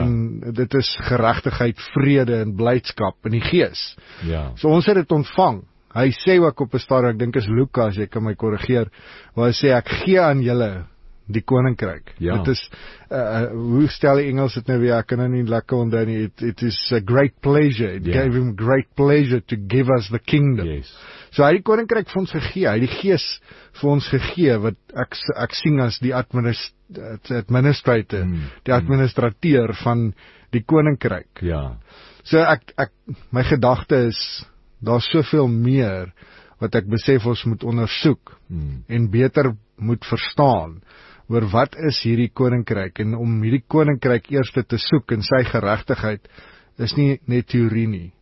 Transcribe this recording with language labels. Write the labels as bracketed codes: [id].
[af] En dit is geregtigheid, vrede en blydskap in die gees. Ja. So ons het dit ontvang. Hy sê ook op 'n stadium, ek dink is Lukas, jy kan my korrigeer, waar hy sê ek gee aan julle die koninkryk. Ja. Dit is hoe stel die Engels dit nou weer? Ek kan dit nie lekker onthou nie. [en] It is a great pleasure. It gave him great pleasure to give us the kingdom. Yes. [af] So hy die koninkryk vir ons gegee, hy die gees vir ons gegee wat ek sien as die administrator, die administrateur van die koninkryk. Ja. So ek my gedagte is daar's soveel meer wat ek besef ons moet ondersoek en beter moet verstaan oor wat is hierdie koninkryk en om hierdie koninkryk eerste te soek en sy geregtigheid is nie net teorie nie.